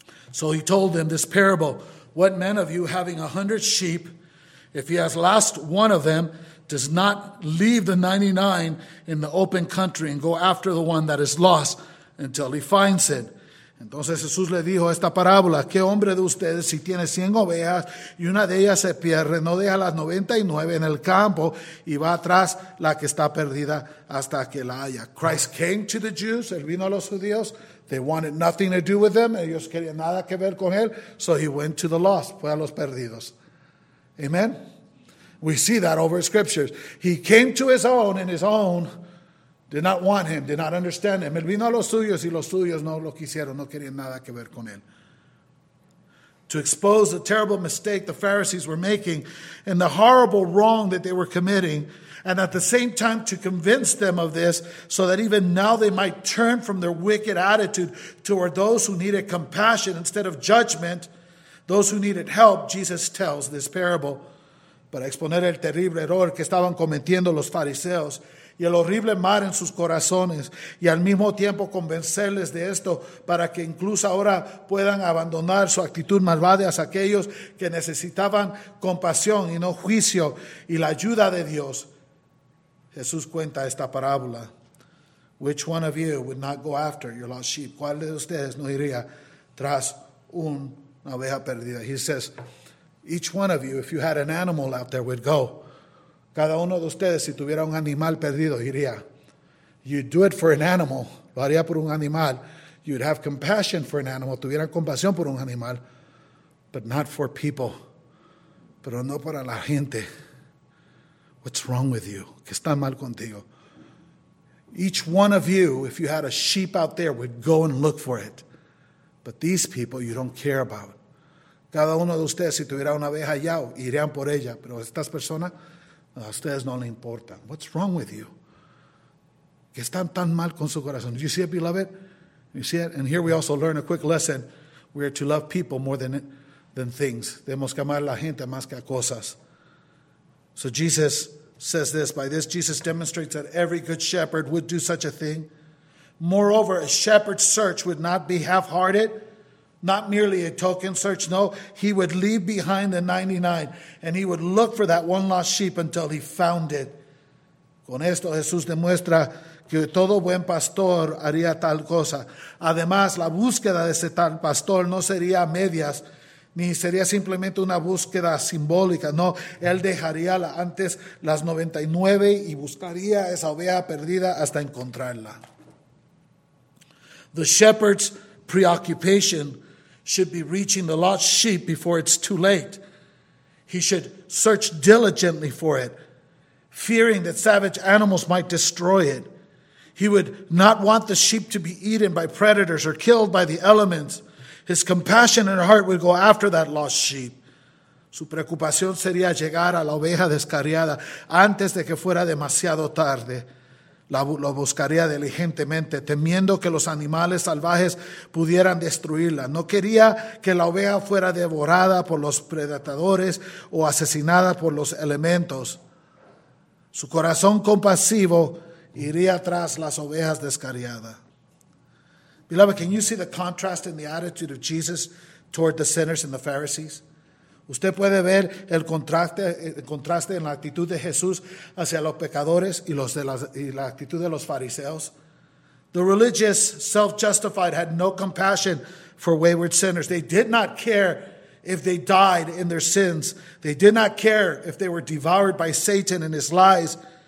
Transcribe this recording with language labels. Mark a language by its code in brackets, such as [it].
[en] So he told them this parable. What man of you having 100 sheep, if he has lost one of them, does not leave the 99 in the open country and go after the one that is lost until he finds it. [es] Entonces Jesús le dijo esta parábola, ¿qué hombre de ustedes si tiene 100 ovejas y una de ellas se pierde, no deja las 99 en el campo y va atrás la que está perdida hasta que la haya? [en] Christ came to the Jews, [es] él vino a los judíos, [en] they wanted nothing to do with them, [es] ellos querían nada que ver con él, [en] so he went to the lost, [es] fue a los perdidos. [en] Amen. We see that over scriptures. He came to his own, and his own did not want him, did not understand him. [es] Él vino a los suyos, y los suyos no lo quisieron, no querían nada que ver con él. [en] To expose the terrible mistake the Pharisees were making and the horrible wrong that they were committing, and at the same time to convince them of this so that even now they might turn from their wicked attitude toward those who needed compassion instead of judgment, those who needed help, Jesus tells this parable. [es] Para exponer el terrible error que estaban cometiendo los fariseos y el horrible mal en sus corazones y al mismo tiempo convencerles de esto para que incluso ahora puedan abandonar su actitud malvada hacia aquellos que necesitaban compasión y no juicio y la ayuda de Dios. Jesús cuenta esta parábola. [en] Which one of you would not go after your lost sheep? [es] ¿Cuál de ustedes no iría tras una oveja perdida? [en] He says, each one of you, if you had an animal out there, would go. [es] Cada uno de ustedes, si tuviera un animal perdido, iría. [en] You do it for an animal, [es] lo haría por un animal. [en] You'd have compassion for an animal, [es] tuviera compasión por un animal, [en] but not for people, [es] pero no para la gente. [en] What's wrong with you? [es] ¿Qué está mal contigo? [en] Each one of you, if you had a sheep out there, would go and look for it. But these people, you don't care about. [es] Cada uno de ustedes, si tuviera una abeja allá, irían por ella. Pero estas personas, a ustedes no le importan. [en] What's wrong with you? [es] ¿Qué están tan mal con su corazón? [en] Do you see it, beloved? You see it? And here we also learn a quick lesson. We are to love people more than things. [es] Debemos amar a la gente más que a cosas. [en] So Jesus says this, by this Jesus demonstrates that every good shepherd would do such a thing. Moreover, a shepherd's search would not be half-hearted, not merely a token search. No, he would leave behind the 99 and he would look for that one lost sheep until he found it. [es] Con esto Jesús demuestra que todo buen pastor haría tal cosa. Además, la búsqueda de ese tal pastor no sería medias, ni sería simplemente una búsqueda simbólica. No, él dejaría antes las 99 y buscaría esa oveja perdida hasta encontrarla. [en] The shepherd's preoccupation should be reaching the lost sheep before it's too late. He should search diligently for it, fearing that savage animals might destroy it. He would not want the sheep to be eaten by predators or killed by the elements. His compassion in her heart would go after that lost sheep. [es] Su preocupación sería llegar a la oveja descarriada antes de que fuera demasiado tarde. Lo buscaría diligentemente, temiendo que los animales salvajes pudieran destruirla. No quería que la oveja fuera devorada por los predadores o asesinada por los elementos. Su corazón compasivo iría tras las ovejas descarriadas. [en] Beloved, can you see the contrast in the attitude of Jesus toward the sinners and the Pharisees? [es] Usted puede ver el contraste en la actitud de Jesús hacia los pecadores y la actitud de los fariseos. [en] The religious self-justified had no compassion for wayward sinners. They did not care if they died in their sins. They did not care if they were devoured by Satan and his lies.